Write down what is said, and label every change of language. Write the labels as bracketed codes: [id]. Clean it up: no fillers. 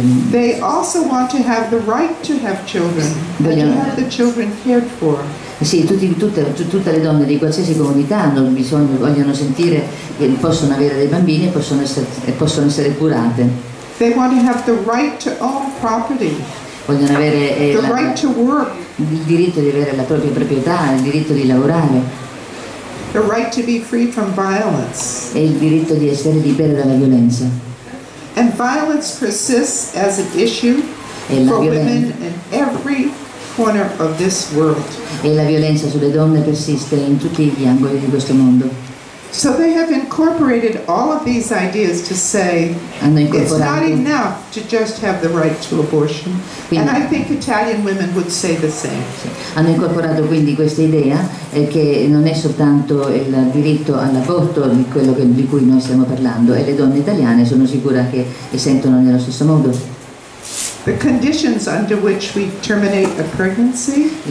[en] They also want to have the right to have children, [it] vogliono, [en] to have the children cared for. [it] Sì, tutte le donne di qualsiasi comunità hanno bisogno, vogliono sentire che possono avere dei bambini e possono essere curate. [en] They want to have the right to own property. [it] Vogliono avere [en] right to work. [it] Il diritto di avere la propria proprietà, il diritto di lavorare. [en] The right to be free from violence. [it] E il diritto di essere libera dalla violenza. [en] And violence persists as an issue for women in every corner of this world. [it] E la violenza sulle donne persiste in tutti gli angoli di questo mondo. [en] So they have incorporated all of these ideas to say it's not enough to just have the right to abortion. [it] Quindi, [en] and I think Italian women would say the same. [it] Hanno incorporato quindi questa idea che non è soltanto il diritto all'aborto di quello di cui noi stiamo parlando, e le donne italiane sono sicura che le sentono nello stesso modo. [en] The conditions under which we terminate a pregnancy.